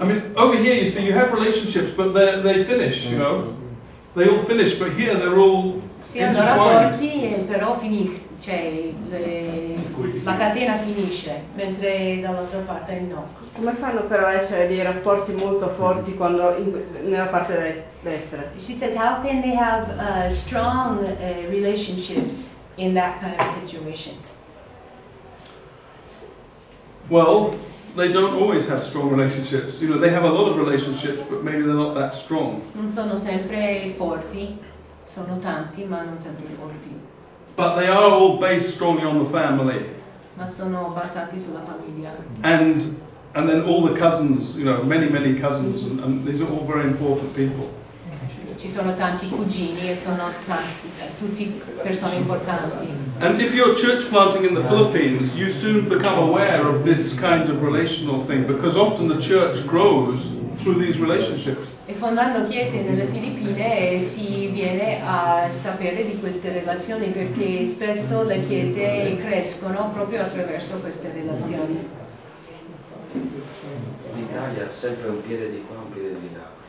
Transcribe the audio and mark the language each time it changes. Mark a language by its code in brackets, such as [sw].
[en] I mean, over here you see you have relationships, but they finish, you know. They all finish, but here they're all intertwined. [it] Sì, hanno rapporti, però finisce, cioè la catena finisce, mentre dall'altra parte no. Come fanno però a essere dei rapporti molto forti quando nella parte destra? [en] She said, how can they have strong relationships in that kind of situation? Well, they don't always have strong relationships. You know, they have a lot of relationships, but maybe they're not that strong. [it] Non sono sempre forti, sono tanti, ma non sempre forti. [en] But they are all based strongly on the family. [it] Ma sono basati sulla famiglia. [en] And then all the cousins, you know, many, many cousins, and these are all very important people. [it] Ci sono tanti cugini e sono tanti, tutti persone importanti. [en] And if you're church planting in the Philippines, you soon become aware of this kind of relational thing, because often the church grows through these relationships. [it] E fondando chiese nelle Filippine si viene a sapere di queste relazioni, perché spesso le chiese crescono proprio attraverso queste relazioni. L'Italia ha sempre un piede di qua, un piede di là.